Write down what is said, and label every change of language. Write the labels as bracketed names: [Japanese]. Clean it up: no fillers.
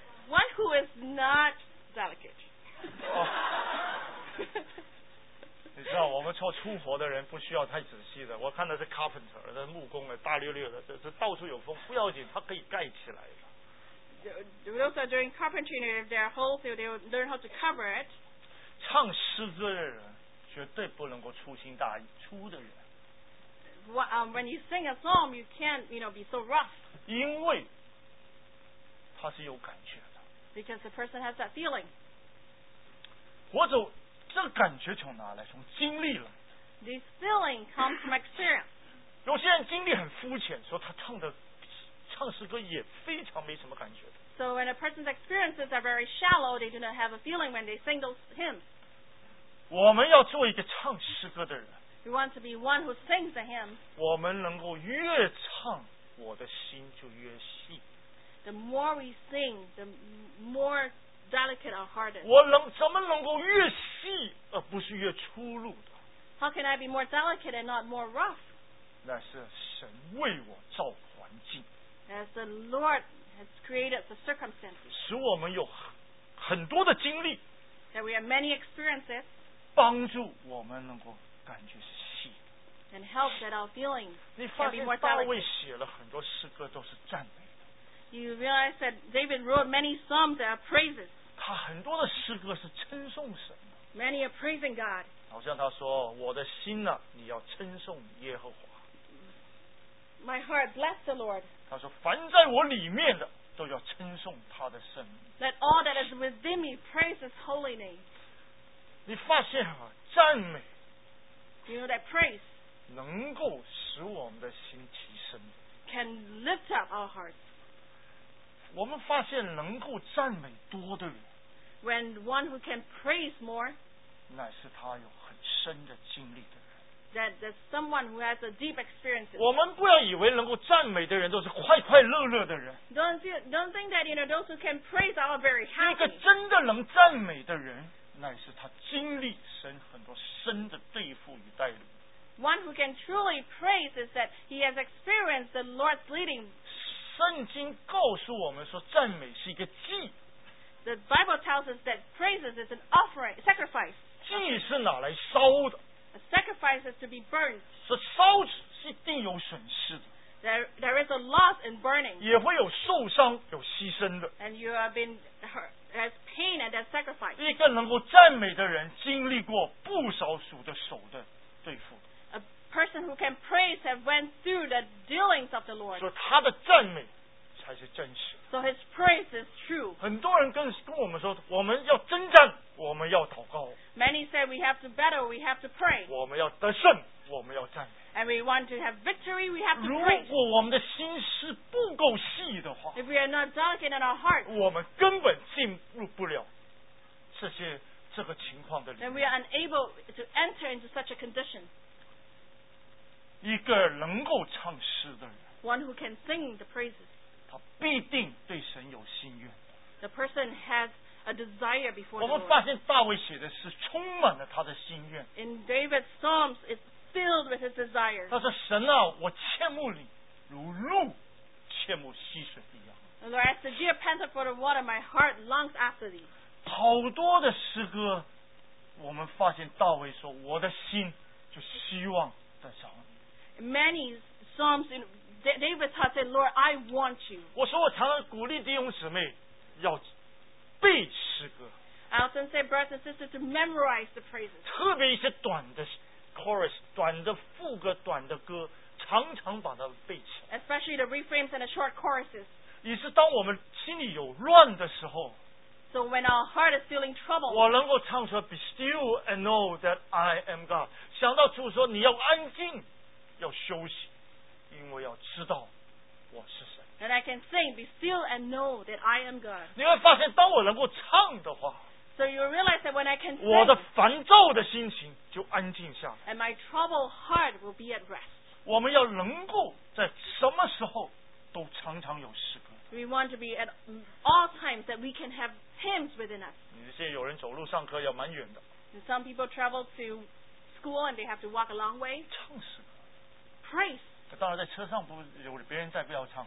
[English] One who is not delicate. [Chinese] 你知道我们做粗活的人不需要太仔细的，我看的是 carpenter 的木工的，大略略的，这到处有缝，不要紧，它可以盖起来的。 [English] Those are doing carpentry, and if there are holes, they will learn how to cover it. [Chinese] 唱诗歌的人绝对不能够粗心大意，粗的人。 [English] When you sing a song, you can't, you know, be so rough. [Chinese] 因为他是有感觉的。 [English] Because the person has that feeling. [Chinese] 我走。这个感觉从哪来？从经历了。 [English] This feeling comes from experience. [Chinese] 有些人经历很肤浅，说他唱的唱诗歌也非常没什么感觉的。 [English] So when a person's experiences are very shallow, they do not have a feeling when they sing those hymns. [Chinese] 我们要做一个唱诗歌的人。 [English] We want to be one who sings a hymn. [Chinese] 我们能够越唱，我的心就越细。 [English] The more we sing, the more delicate our heart is. [Chinese] 我能怎么能够越细？细而不是越粗鲁的。 [English] How can I be more delicate and not more rough? [Chinese] 那是神为我造环境。 [English] As the Lord has created the circumstances. [Chinese] 使我们有很多的经历。 [English] That we have many experiences. [Chinese] 帮助我们能够感觉是细。 [English] And help that our feelings can be more [Chinese] delicate. 你发现大卫写了很多诗歌都是赞美的。 [English] You realize that David wrote many psalms that are praises. [Chinese] 他很多的诗歌是称颂神。 [English] Many are praising God. [Chinese] 好像他说，我的心呢，你要称颂耶和华。 [English] My heart bless the Lord. [Chinese] 他说，凡在我里面的，都要称颂他的圣名。 [English] Let all that is within me praise His holy name. [Chinese] 你发现啊，赞美。 [English] You know that praise. [Chinese] 能够使我们的心提升。 [English] Can lift up our hearts. [Chinese] 我们发现能够赞美多的人。 [English] When one who can praise more, [Chinese] 乃是他有很深的经历的人。 [English] That there's someone who has a deep experience. [Chinese] 我们不要以为能够赞美的人都是快快乐乐的人。 [English] Don't think that you know those who can praise are very happy. [Chinese] 一个真的能赞美的人，乃是他经历神很多深的对付与带领。 [English] One who can truly praise is that he has experienced the Lord's leading. [Chinese] 圣经告诉我们说，赞美是一个祭。 [English] The Bible tells us that praises is an offering, sacrifice. [Chinese] 祭是拿来烧的。 [English] A sacrifice is to be burned. [Chinese] 是烧是一定有损失的。 [English] There is a loss in burning. [Chinese] 也会有受伤，有牺牲的。 [English] And you have been hurt, has pain and has sacrifice. [Chinese] 一个能够赞美的人，经历过不少数的手的对付。 [English] A person who can praise have went through the dealings of the Lord. [Chinese] 所以他的赞美才是真实。 [English] So his praise is true. [Chinese] 很多人跟我们说，我们要征战，我们要祷告。 [English] Many say we have to battle, we have to pray. [Chinese] 我们要得胜，我们要赞美。 [English] And we want to have victory, we have to praise. [Chinese] 如果我们的心思不够细的话， [English] if we are not delicate in our hearts, [Chinese] 我们根本进入不了这些这个情况的里面。 [English] Then we are unable to enter into such a condition. [Chinese] 一个能够唱诗的人， [English] one who can sing the praises, [Chinese] 他必定对神有心愿。 [English] The person has a desire before the [Chinese] Lord. 我们发现大卫写的诗充满了他的心愿。 [English] In David's Psalms, it's filled with his desire. [Chinese] 他说神啊，我切慕你，如鹿切慕溪水一样。 [English] The Lord asked, the deer panted for the water, my heart longs after thee. [Chinese] 好多的诗歌，我们发现大卫说：“我的心就希望得着你。” [English] Many psalms in David's heart say, "Lord, I want you." [Chinese] 我说我常常鼓励弟兄姊妹要背诗歌。 [English] I often say, brothers and sisters, to memorize the praises. [Chinese] 特别一些短的 chorus、短的副歌、短的歌，常常把它背起来。 [English] Especially the refrains and the short choruses. [Chinese] 也是当我们心里有乱的时候。 [English] So when our heart is feeling trouble, [Chinese] 我能够唱出来 [English] Be still and know that I am God. [Chinese] 想到主说你要安静，要休息，因为要知道我是谁。 [English] And I can sing, be still and know that I am God. [Chinese] 你会发现，当我能够唱的话， [English] so you realize that when I can sing, [Chinese] 我的烦躁的心情就安静下来。 [English] And my troubled heart will be at rest. [Chinese] 我们要能够在什么时候都常常有诗歌。 [English] We want to be at all times that we can have hymns within us. [Chinese] 你现在有人走路上课要蛮远的。 [English] Some people travel to school and they have to walk a long way. [Chinese] 唱诗歌。 [English] Praise. [Chinese] 当然在车上不有别人在不要唱。